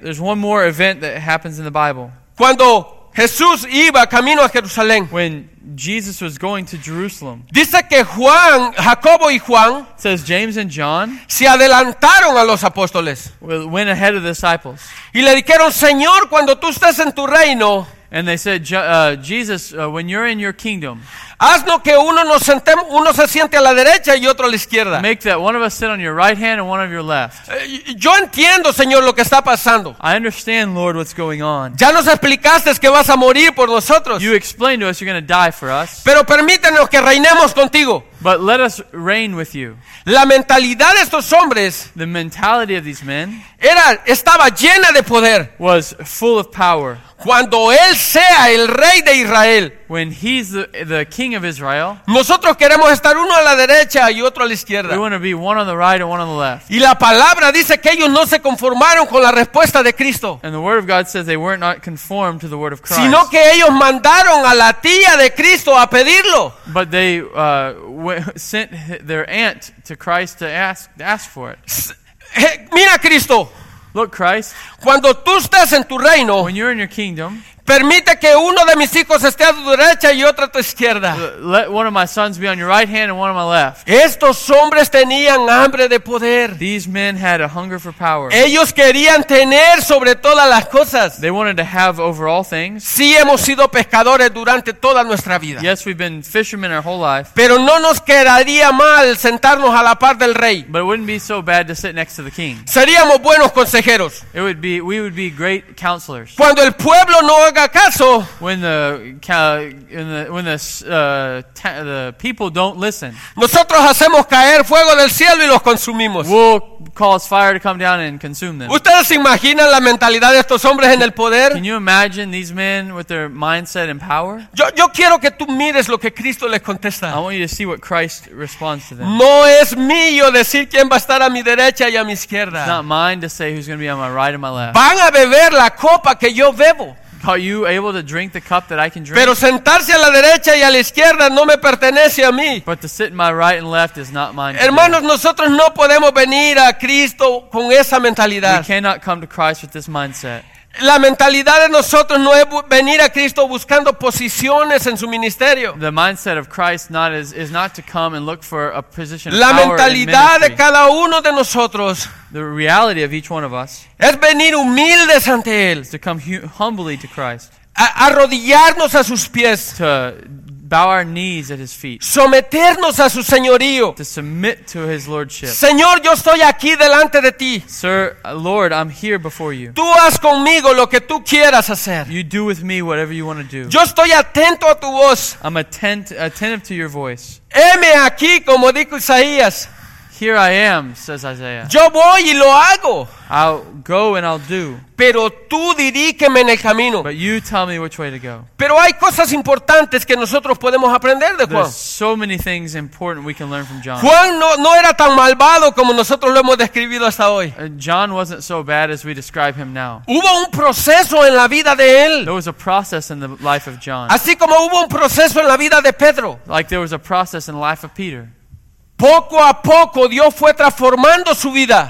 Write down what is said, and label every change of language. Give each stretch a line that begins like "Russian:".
English: There's one more event that happens in the Bible.
Spanish: Cuando Jesús iba camino a Jerusalén.
English: When Jesus was going to Jerusalem.
Spanish: Dice que Juan, Jacobo y Juan,
English: says James and John,
Spanish: se adelantaron a los apóstoles.
English: Went ahead of the disciples.
Spanish: Y le dijeron, Señor, cuando tú estés en tu reino,
English: and they said, Jesus, when you're in your kingdom,
Spanish: haznos que uno se siente a la derecha y otro a la izquierda.
English: Make that one of us sit on your right hand and one of your left.
Spanish: Yo entiendo, Señor, lo que está pasando.
English: I understand, Lord, what's going on.
Spanish: Ya nos explicaste que vas a morir por nosotros.
English: You explained to us you're going to die for us.
Spanish: Pero permítanos que reinemos contigo.
English: But let us reign with you.
Spanish: La mentalidad de estos hombres,
English: the mentality of these men,
Spanish: estaba llena de poder.
English: Was full of power.
Spanish: Cuando él sea el rey de Israel,
English: when he's the king of Israel,
Spanish: nosotros queremos estar uno a la derecha y otro a la izquierda.
English: We want to be one on the right and one on the left.
Spanish: Y la palabra dice que ellos no se conformaron con la respuesta de Cristo.
English: And the word of God says they were not conformed to the word of Christ.
Spanish: Sino que ellos mandaron a la tía de Cristo a pedirlo.
English: But they sent their aunt to Christ to ask for it.
Spanish: Mira, Cristo.
English: Look, Christ.
Spanish: Cuando tú estás en tu reino,
English: when you're in your kingdom,
Spanish: permite que uno de mis hijos esté a tu derecha y otro a tu izquierda.
English: Let one of my sons be on your right hand and one on my left.
Spanish: Estos hombres tenían hambre de poder.
English: These men had a hunger for power.
Spanish: Ellos querían tener sobre todas las cosas.
English: They wanted to have over all things.
Spanish: Sí, hemos sido pescadores durante toda nuestra vida.
English: Yes, we've been fishermen our whole life.
Spanish: Pero no nos quedaría mal sentarnos a la par del rey.
English: But it wouldn't be so bad to sit next to the king.
Spanish: Seríamos buenos consejeros.
English: We would be great counselors.
Spanish: Cuando el pueblo no haga caso,
English: when the people don't listen,
Spanish: nosotros hacemos caer fuego del cielo y los consumimos.
English: We'll cause fire to come down and consume them.
Spanish: ¿Ustedes se imaginan la mentalidad de estos hombres en el poder?
English: Can you imagine these men with their mindset and power?
Spanish: Yo quiero que tú mires lo que Cristo les contesta.
English: I want you to see what Christ responds to them.
Spanish: No es mío decir quién va a estar a mi derecha y a mi izquierda.
English: It's not mine to say who's going to be on my right and my left.
Spanish: Van a beber la copa que yo bebo.
English: Are you able to drink the cup that I can drink?
Spanish: Pero sentarse a la derecha y a la izquierda no me pertenece a mí.
English: But to sit in my right and left is not mine.
Spanish: Hermanos, nosotros no podemos venir a Cristo con esa mentalidad.
English: We cannot come to Christ with this mindset.
Spanish: La mentalidad de nosotros no es venir a Cristo buscando posiciones en su ministerio.
English: The mindset of Christ not is, is not to come and look for a position of power.
Spanish: La mentalidad de cada uno de nosotros,
English: the reality of each one of us,
Spanish: es venir humildes ante él,
English: to come humbly to Christ,
Spanish: arrodillarnos a sus pies,
English: to bow our knees at his feet,
Spanish: someternos a su señorío,
English: to submit to his lordship.
Spanish: Señor, yo estoy aquí delante de ti.
English: Sir, Lord, I'm here before you.
Spanish: Tú haz conmigo lo que tú quieras hacer.
English: You do with me whatever you want to do.
Spanish: Yo estoy atento a tu voz.
English: I'm attentive to your voice.
Spanish: Heme aquí, como dijo Isaías.
English: Here I am, says Isaiah.
Spanish: Yo voy y lo hago.
English: I'll go and I'll do.
Spanish: Pero tú diríqueme en el camino.
English: But you tell me which way to go.
Spanish: Pero hay cosas importantes que nosotros podemos aprender de Juan.
English: There's so many things important we can learn from John.
Spanish: Juan no era tan malvado como nosotros lo hemos descrito hasta hoy.
English: John wasn't so bad as we describe him now.
Spanish: Hubo un proceso en la vida de él.
English: There was a process in the life of John.
Spanish: Así como hubo un proceso en la vida de Pedro.
English: Like there was a process in the life of Peter.
Spanish: Poco a poco Dios fue transformando su vida.